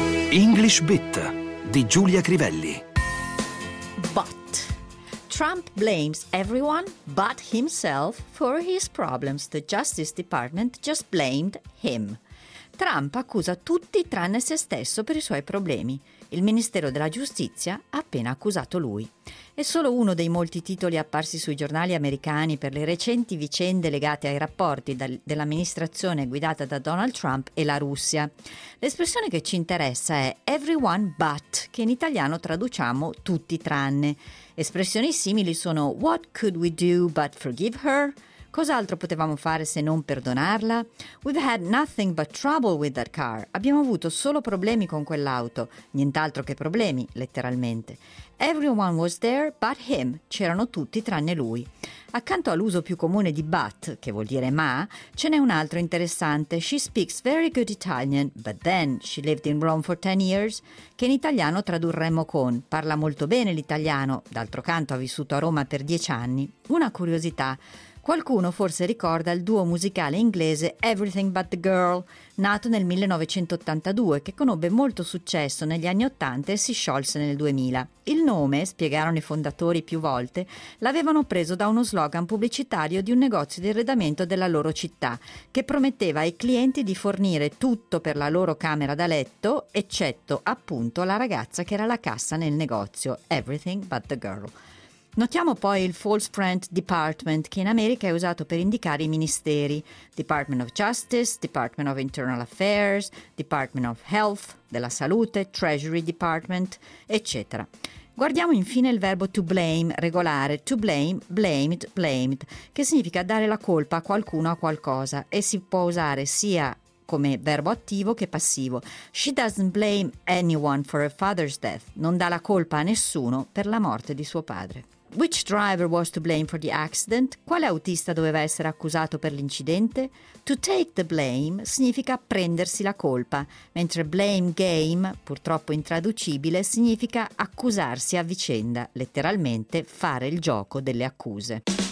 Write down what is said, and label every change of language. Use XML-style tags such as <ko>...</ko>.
<it>English Bit di Giulia Crivelli.</it> <en>But Trump blames everyone but himself for his problems. The Justice Department just blamed him.</en> <it>Trump accusa tutti tranne se stesso per i suoi problemi. Il Ministero della Giustizia ha appena accusato lui. È solo uno dei molti titoli apparsi sui giornali americani per le recenti vicende legate ai rapporti dell'amministrazione guidata da Donald Trump e la Russia. L'espressione che ci interessa è</it> <en>everyone but,</en> <it>che in italiano traduciamo tutti tranne. Espressioni simili sono</it> <en>what could we do but forgive her?</en> <it>Cos'altro potevamo fare se non perdonarla?</it> <en>We've had nothing but trouble with that car.</en> <it>Abbiamo avuto solo problemi con quell'auto. Nient'altro che problemi, letteralmente.</it> <en>Everyone was there but him.</en> <it>C'erano tutti tranne lui. Accanto all'uso più comune di but, che vuol dire ma, ce n'è un altro interessante.</it> <en>She speaks very good Italian, but then she lived in Rome for 10 years.</en> <it>Che in italiano tradurremmo con parla molto bene l'italiano, d'altro canto ha vissuto a Roma per 10 anni. Una curiosità. Qualcuno forse ricorda il duo musicale inglese Everything But The Girl, nato nel 1982, che conobbe molto successo negli anni 80 e si sciolse nel 2000. Il nome, spiegarono i fondatori più volte, l'avevano preso da uno slogan pubblicitario di un negozio di arredamento della loro città, che prometteva ai clienti di fornire tutto per la loro camera da letto, eccetto appunto la ragazza che era la cassa nel negozio Everything But The Girl. Notiamo poi il false print department, che in America è usato per indicare i ministeri: Department of Justice, Department of Internal Affairs, Department of Health, della Salute, Treasury Department, eccetera. Guardiamo infine il verbo to blame, regolare,</it> <en>to blame, blamed, blamed,</en> <it>che significa dare la colpa a qualcuno o a qualcosa, e si può usare sia come verbo attivo che passivo.</it> <en>She doesn't blame anyone for her father's death.</en> <it>Non dà la colpa a nessuno per la morte di suo padre.</it> <en>Which driver was to blame for the accident?</en> <it>Quale autista doveva essere accusato per l'incidente?</it> <en>To take the blame</en> <it>significa prendersi la colpa, mentre blame game, purtroppo intraducibile, significa accusarsi a vicenda, letteralmente fare il gioco delle accuse.</it>